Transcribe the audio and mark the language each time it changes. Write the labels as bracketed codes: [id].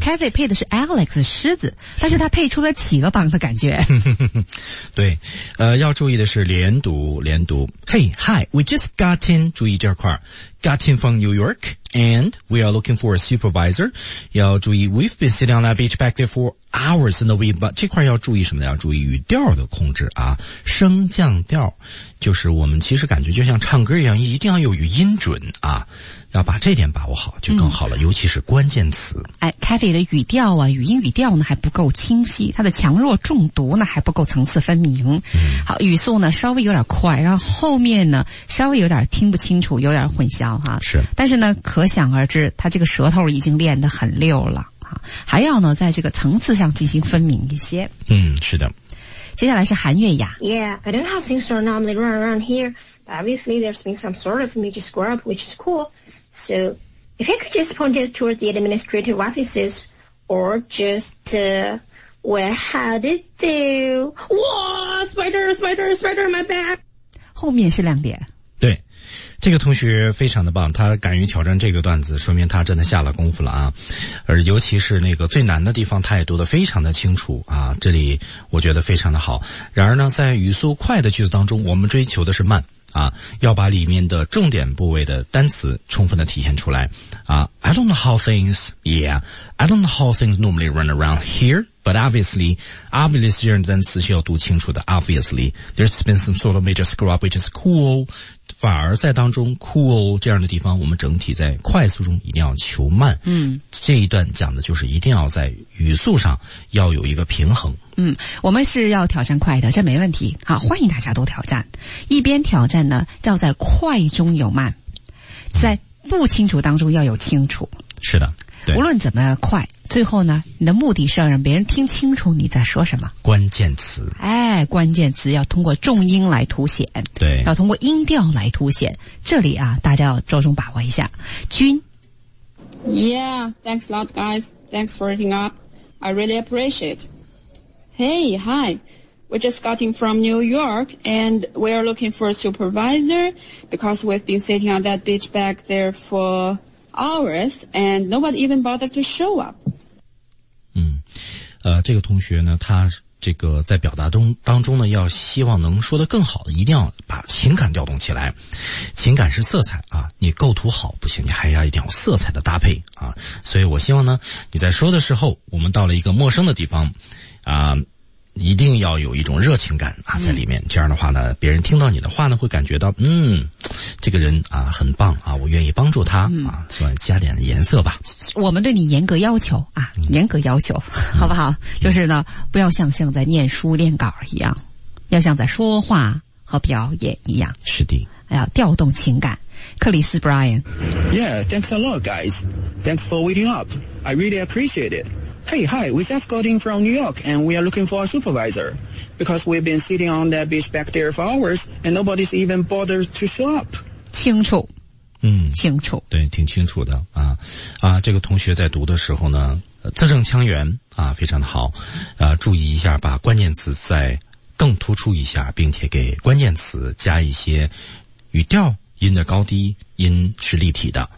[zh] Kathy 配的是 Alex 狮子，但是他配出了企鹅帮的感觉。对，要注意的是连读 [en] Hey, hi, we just got in, [zh] 注意这块 [en] got in from New York and we are looking for a supervisor. [zh] 要注意 [en] we've been sitting on that beach back there for hours in the week, but [zh] 这块要注意什么呢？要注意语调的控制啊，升降调，就是我们其实感觉就像唱歌一样，一定要有语音准啊，要把这点把握好就更好了、嗯、尤其是关键词。哎 ,Kathy 的语调啊，语音语调呢还不够清晰，它的强弱重读呢还不够层次分明。嗯、好，语速呢稍微有点快，然后后面呢稍微有点听不清楚，有点混淆哈、啊。是。但是呢可想而知他这个舌头已经练得很溜了、啊。还要呢在这个层次上进行分明一些。嗯，是的。接下来是韩月雅。 [en] Yeah, I don't know how things are normally run around here, but obviously there's been some sort of major square up, which is cool. So, if you could just point us towards the administrative offices, or just, well, how did they... Whoa, spider, my back! [zh] 后面是亮点。对。这个同学非常的棒，他敢于挑战这个段子，说明他真的下了功夫了啊！而尤其是那个最难的地方，他也读得非常的清楚啊！这里我觉得非常的好。然而呢，在语速快的句子当中，我们追求的是慢啊，要把里面的重点部位的单词充分的体现出来啊。 [en] I don't know how things normally run around here, but [zh] But obviously 这个单词是要读清楚的。 [en] Obviously, there's been some sort of major screw up, which is cool. [zh] 反而在当中 cool 这样的地方，我们整体在快速中一定要求慢。嗯，这一段讲的就是一定要在语速上要有一个平衡。嗯，我们是要挑战快的，这没问题。好，欢迎大家都挑战。一边挑战呢，要在快中有慢，在不清楚当中要有清楚。是的。对，无论怎么快，最后呢，你的目的是要让别人听清楚你在说什么。关键词。哎，关键词要通过重音来凸显。对。要通过音调来凸显。这里啊，大家要着重把握一下。君。 [en] Yeah, thanks a lot, guys. Thanks for hitting up. I really appreciate. Hey, hi. We're just gotting from New York, and we're looking for a supervisor, because we've been sitting on that beach back there for... hours and nobody even bothered to show up. [zh] 嗯，这个同学呢，他这个在表达当中呢，要希望能说得更好的，一定要把情感调动起来。情感是色彩啊，你构图好不行，你还要一定要色彩的搭配啊。所以我希望呢，你在说的时候，我们到了一个陌生的地方啊，一定要有一种热情感啊在里面。这样的话呢，别人听到你的话呢，会感觉到这个人啊很棒啊，我愿意帮助他啊，希望加点颜色吧。我们对你严格要求啊，严格要求，好不好？就是呢，不要像在念书练稿一样，要像在说话和表演一样。是的。要调动情感。克里斯 Brian。 [en] Yeah, thanks a lot, guys. Thanks for waiting up. I really appreciate it. Hey, hi, we just got in from New York and we are looking for a supervisor because we've been sitting on that beach back there for hours and nobody's even bothered to show up. [zh] 清楚。清楚。对，挺清楚的啊。啊，这个同学在读的时候呢，字正腔圆啊，非常的好。啊，注意一下，把关键词再更突出一下，并且给关键词加一些语调，音的高低，音是立体的。